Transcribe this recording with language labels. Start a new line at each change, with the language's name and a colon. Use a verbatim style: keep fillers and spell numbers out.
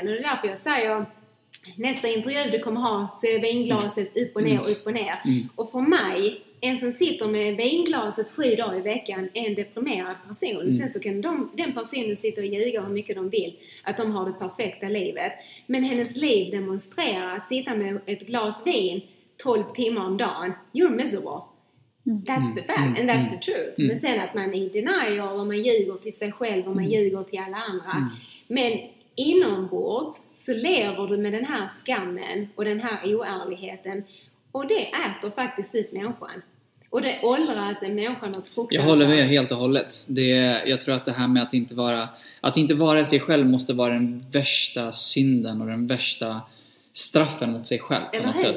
Swedish: Mm. Och det är därför jag säger... Nästa intervju du kommer ha så är vinglaset upp och ner och upp och ner. Mm. Och för mig, en som sitter med vinglaset sju dagar i veckan är en deprimerad person. Mm. Sen så kan de, den personen sitta och ljuga hur mycket de vill att de har det perfekta livet. Men hennes liv demonstrerar att sitta med ett glas vin tolv timmar om dagen,
English: you're miserable. That's the fact and that's the truth.
Swedish: Men sen att man i denial och man ljuger till sig själv och man ljuger till alla andra. Men inombords så lever du med den här skammen och den här oärligheten. Och det äter faktiskt ut människan. Och det åldras en människa något fruktansvärt. Jag håller med helt och hållet. Det är, jag tror att det här med att inte vara att inte vara sig själv måste vara den värsta synden och den värsta straffen mot sig själv på något sätt.